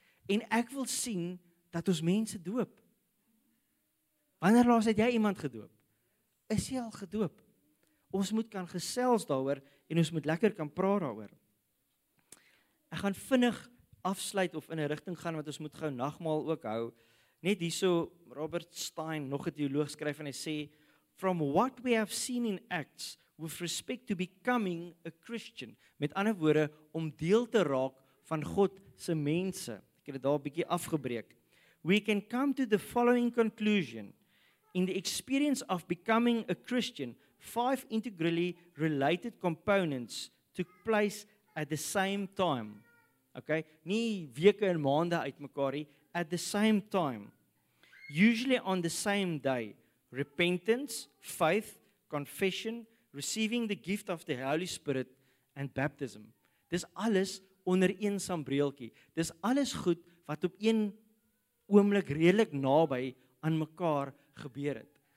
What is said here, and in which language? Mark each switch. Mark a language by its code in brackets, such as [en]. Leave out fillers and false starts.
[af] En ek wil sien dat ons mense doop. Wanneer laas het jy iemand gedoop? Is jy al gedoop? Ons moet kan gesels daaroor en ons moet lekker kan praat daaroor. Ek gaan vinnig afsluit of in 'n rigting gaan wat ons moet gou nagmaal ook hou. Net hierso Robert Stein, nog 'n teoloog skryf en hy sê, [en] from what we have seen in Acts with respect to becoming a Christian. [af] Met ander woorde, om deel te raak van God se mense. Ek het dit daar 'n bietjie afgebreek. [en] We can come to the following conclusion. In the experience of becoming a Christian, 5 integrally related components took place at the same time. Okay? [af] Nie weke en maande uitmekaar nie, [en] at the same time. Usually on the same day. Repentance, faith, confession, receiving the gift of the Holy Spirit and baptism. [af] Dis alles onder een sambreeltjie. Dis alles goed wat op een oomblik redelik naby aan mekaar gebeur het.